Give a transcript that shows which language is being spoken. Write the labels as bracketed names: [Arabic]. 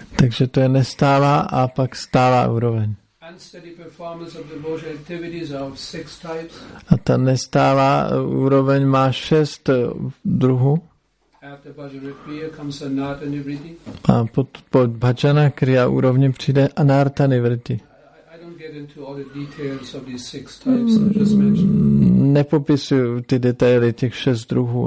[Czech] Takže to je nestálá a pak stálá úroveň. [English] Unsteady performance of devotional activities are of six types. [Czech] A ta nestálá úroveň má šest druhů. [English] After bhajana kriya comes anarta nivritti. [Czech] A po bhajana kriya úrovni přijde anarta nivritti. [English] I don't get into all the details of these six types I just mentioned. [Czech] Nepopisuju ty detaily těch šest druhů.